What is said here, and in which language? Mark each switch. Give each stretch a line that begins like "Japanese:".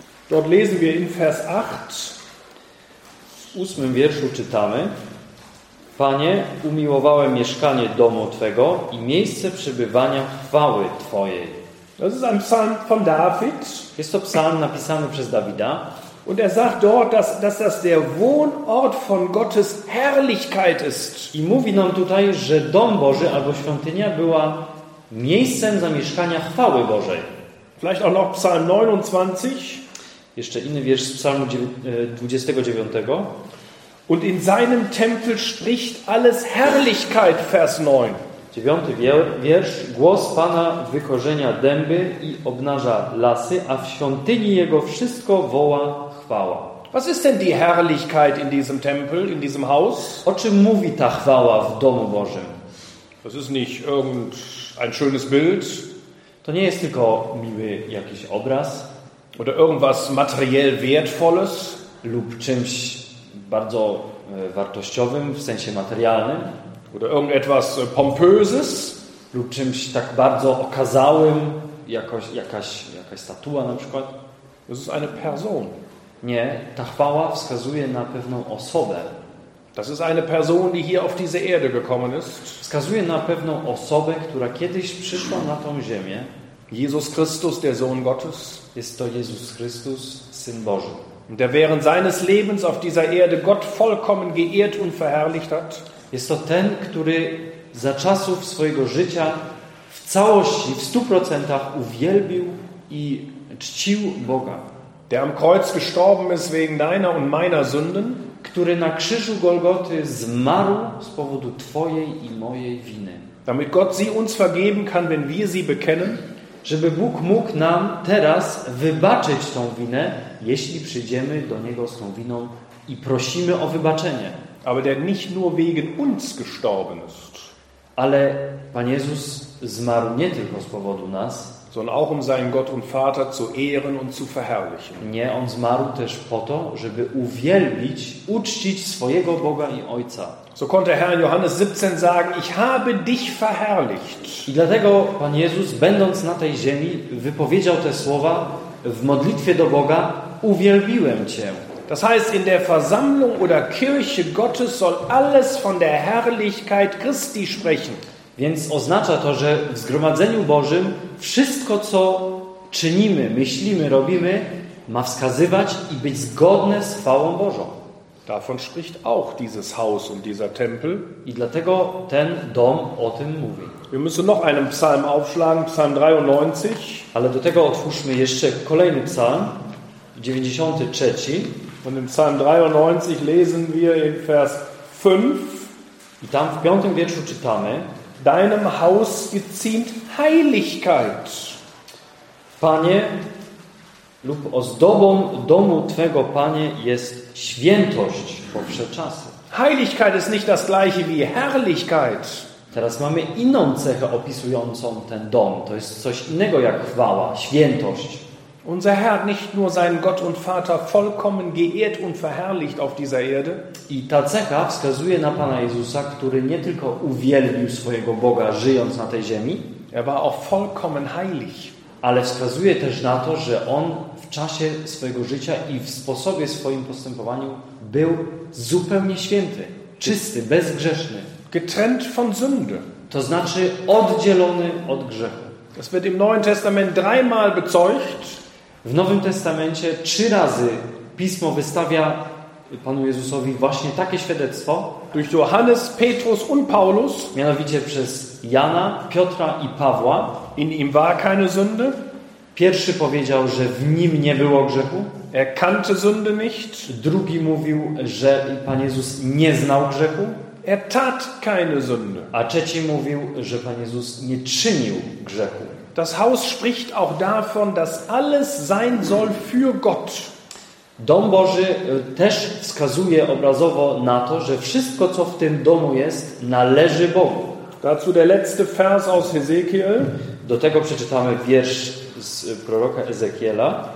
German: Dort lesen wir in Vers 8.
Polish: W 8. wierszu czytamy: Panie, umiłowałem mieszkanie domu Twego i miejsce przebywania chwały Twojej.
German: Das ist ein Psalm von David.
Polish: Jest to psalm napisany przez Dawida.
German: Und sagt dort, dass das der Wohnort von Gottes Herrlichkeit ist.
Polish: I mówi nam tutaj, że dom Boży albo świątynia była miejscem zamieszkania chwały Bożej.
German: Vielleicht auch noch Psalm 29.
Polish: Jeszcze inny wiersz z psalmu 29.
German: Und in seinem Tempel spricht alles Herrlichkeit, Vers 9.
Polish: 9. wiersz: Głos Pana wykorzenia dęby i obnaża lasy, a w świątyni jego wszystko woła chwała.
German: Was ist denn die Herrlichkeit in diesem Tempel, in diesem Haus?
Polish: O czym mówi ta chwała w domu Bożym?
German: Das ist nicht irgendein schönes Bild.
Polish: To nie jest tylko miły jakiś obraz.
German: Oder irgendwas materiell wertvolles.
Polish: Lub czymś bardzo wartościowym w sensie materialnym.
German: Oder irgendetwas pompöses.
Polish: Lub czymś tak bardzo okazałym, jakaś statua na przykład.
German: Das ist eine Person.
Polish: Nie, ta chwała wskazuje na pewną osobę.
German: Das ist eine Person, die hier auf diese Erde gekommen ist.
Polish: Wskazuje na pewną osobę, która kiedyś przyszła na tą ziemię.
German: Jesus Christus, der Sohn Gottes.
Polish: Jest to Jezus Chrystus, Syn Boży.
German: Und der während seines Lebens auf dieser Erde Gott vollkommen geehrt und verherrlicht hat.
Polish: Jest to ten, który za czasów swojego życia w całości, w 100% uwielbił i czcił Boga.
German: Der am Kreuz gestorben ist wegen deiner und meiner Sünden.
Polish: Który na krzyżu Golgoty zmarł z powodu Twojej i mojej winy.
German: Damit Gott sie uns vergeben kann, wenn wir sie bekennen.
Polish: Żeby Bóg mógł nam teraz wybaczyć tą winę, jeśli przyjdziemy do Niego z tą winą i prosimy o wybaczenie.
German: Aber der nicht nur wegen uns gestorben ist.
Polish: Ale Pan Jezus zmarł nie tylko z powodu nas,
German: sondern auch seinen Gott und Vater zu ehren und zu verherrlichen.
Polish: Nie, on zmarł też po to, żeby uwielbić, uczcić swojego Boga i Ojca.
German: So konnte Herr Johannes 17 sagen: Ich habe dich verherrlicht.
Polish: I dlatego Pan Jezus, będąc na tej ziemi, wypowiedział te słowa w modlitwie do Boga: Uwielbiłem cię.
German: Das heißt, in der Versammlung oder Kirche Gottes soll alles von der Herrlichkeit Christi sprechen.
Polish: Więc oznacza to, że w zgromadzeniu Bożym wszystko, co czynimy, myślimy, robimy, ma wskazywać i być zgodne z chwałą Bożą.
German: Davon spricht auch dieses Haus und dieser Tempel.
Polish: I dlatego ten dom o tym mówi.
German: Wir müssen noch einen Psalm aufschlagen, Psalm 93.
Polish: Ale do tego otwórzmy jeszcze kolejny psalm, 93.
German: Und im Psalm 93 lesen wir in Vers 5.
Polish: I tam w piątym wierszu czytamy:
German: Deinem Haus geziemt Heiligkeit.
Polish: Panie, lub ozdobą domu Twego, Panie, jest świętość powsze czasy.
German: Heiligkeit ist nicht das gleiche wie Herrlichkeit.
Polish: Teraz mamy inną cechę opisującą ten dom. To jest coś innego jak chwała, świętość.
German: Unser Herr hat nicht nur seinen Gott und Vater vollkommen geehrt und verherrlicht auf dieser Erde.
Polish: I ta cecha wskazuje na Pana Jezusa, który nie tylko uwielbił swojego Boga, żyjąc na tej ziemi.
German: Er war auch vollkommen heilig.
Polish: Ale wskazuje też na to, że on w czasie swojego życia i w sposobie swoim postępowaniu był zupełnie święty, czysty, bezgrzeszny.
German: Getrennt von Sünde.
Polish: To znaczy oddzielony od grzechu.
German: Das wird im Neuen Testament dreimal bezeugt.
Polish: W Nowym Testamencie trzy razy Pismo wystawia Panu Jezusowi właśnie takie świadectwo.
German: Durch Johannes, Petrus und Paulus.
Polish: Mianowicie przez Jana, Piotra i Pawła.
German: In ihm war keine Sünde.
Polish: Pierwszy powiedział, że w nim nie było grzechu.
German: Er kannte Sünde nicht.
Polish: Drugi mówił, że Pan Jezus nie znał grzechu.
German: Er tat keine Sünde.
Polish: A trzeci mówił, że Pan Jezus nie czynił grzechu.
German: Das Haus spricht auch davon, dass alles sein soll für Gott.
Polish: Dom Boży też wskazuje obrazowo na to, że wszystko, co w tym domu jest, należy Bogu.
German: Dazu der letzte Vers aus Hezekiel.
Polish: Do tego przeczytamy wiersz z proroka Ezekiela.